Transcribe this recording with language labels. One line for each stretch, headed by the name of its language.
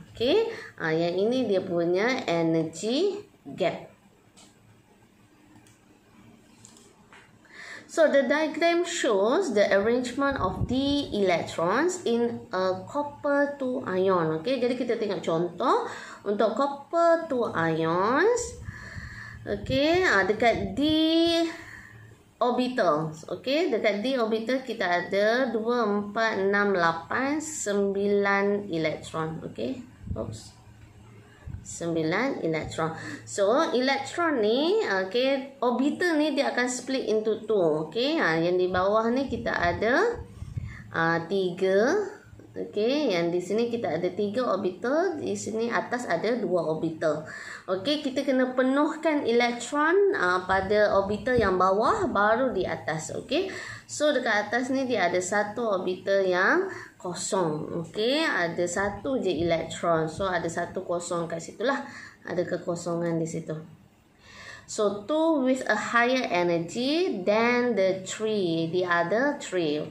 Malay: Okay, yang ini dia punya energy gap.
English: So the diagram shows the arrangement of the electrons in a copper 2 ion.
Malay: Okay, jadi kita tengok contoh untuk copper 2 ions. Okay, dekat d orbital. Okay, dekat d orbital kita ada 2 4 6 8 9 electron. Okay. Oops. 9 electron. So electron ni, okay, orbital ni dia akan
English: split into two.
Malay: Okay, yang di bawah ni kita ada 3. Okay, yang di sini kita ada 3 orbital, di sini atas ada 2 orbital. Okay, kita kena penuhkan electron pada orbital yang bawah baru di atas. Okay, so dekat atas ni dia ada 1 orbital yang kosong. Okay, ada 1 je electron. So ada 1 kosong kat situ lah. Ada kekosongan di situ.
English: So 2 with a higher energy than the 3, the other 3.